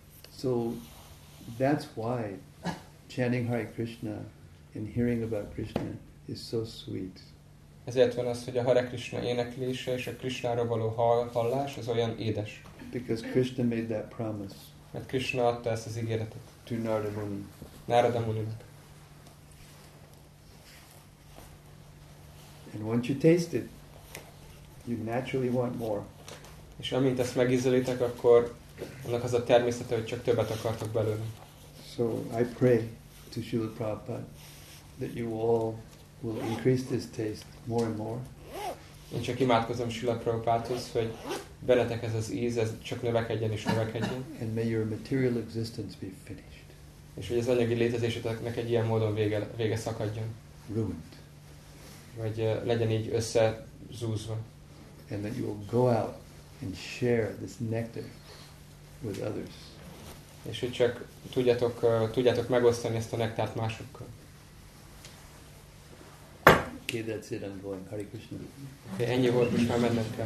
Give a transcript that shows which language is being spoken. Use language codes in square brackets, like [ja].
[en] So that's why chanting Hare Krishna and hearing about Krishna is so sweet. [hu] Ezért van az, hogy a Hare Krishna éneklése és a Krishnáról való hallás az olyan édes. [en] Because Krishna made that promise. [hu] Mert Krishna adta ezt az ígéretet. [en] To Narada Muni. [hu] Narada Muninak. [en] And once you taste it, you naturally want more. [hu] És amint ezt megízelítek, akkor annak az a természete, hogy csak többet akartok belőle. [en] So I pray to Srila Prabhupada that you all will increase this taste more and more. [hu] Én csak imádkozom Srila Prabhupádhoz, hogy beletek ez az íz, ez csak növekedjen és növekedjen. [en] And may your material existence be finished. [hu] És hogy az anyagi létezésetek egy ilyen módon vége szakadjon. [en] Ruined. [hu] Vagy legyen így összezúzva. [en] And that you will go out and share this nectar with others. [hu] És hogy csak tudjátok megosztani ezt a nektárt másokkal. [en] Okay, that's it, I'm going. Hare Krishna. [hu] Okay, ennyi volt, most már mennem kell.